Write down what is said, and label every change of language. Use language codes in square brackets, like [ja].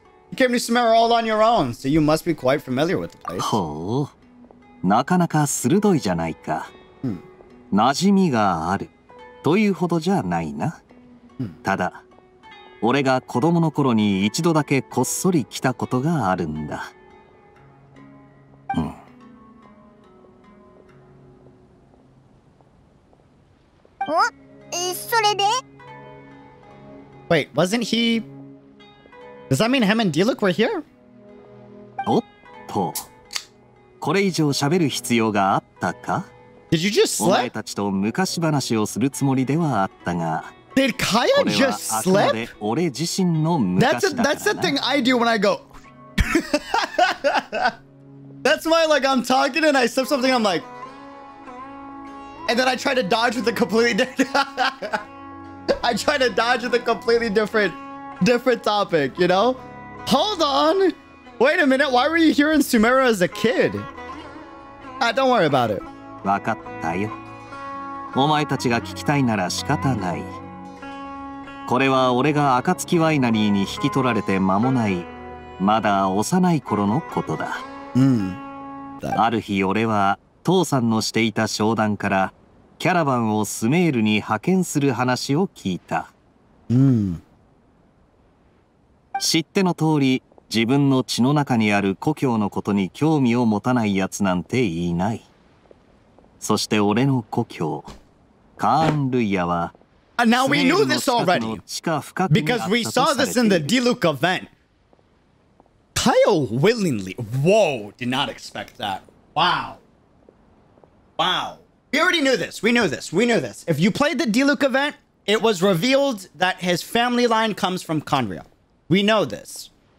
[en] You came to Sumeru all on your own, so you must be quite familiar with the place. Oh. [ja] なかなか鋭いじゃないか。馴染みがあるというほどじゃないな。ただ俺が子供の頃に一度だけこっそり来たことがあるんだ。お、それで [en] Wait, wasn't he... Does that mean him and D-Luc were here? [ja] おっと、これ以上喋る必要があったか？ [en] Did you just slip? [ja] お前たちと昔話をするつもりではあったが、 [en] Did Kaya just slip? [ja] これはあくまで俺自身の昔だからな。 [en] That's the thing I do when I go That's why like I'm talking and I slip something, I'm like And then I try to dodge with a completely different I try to dodge with a completely different topic, you know? Hold onWait a minute, why were you here in Sumeru as a kid? Don't worry about it. [ja] わかったよ。お前たちが聞きたいなら仕方ない。これは俺が暁ワイナリーに引き取られて間もないまだ幼い頃のことだ。うん。ある日俺は父さんのしていた商談からキャラバンをスメールに派遣する話を聞いた。うん。知っての通り自分の血の中にある故郷のことに興味を持たないやつなんていない。そして俺の故郷カーンルイヤは [en] Now we knew this already because we saw this in the Diluc event. Kyle willingly. Whoa, did not expect that. Wow. Wow. We already knew this. We knew this. We knew this. If you played the Diluc event, it was revealed that his family line comes from Conria. We know this.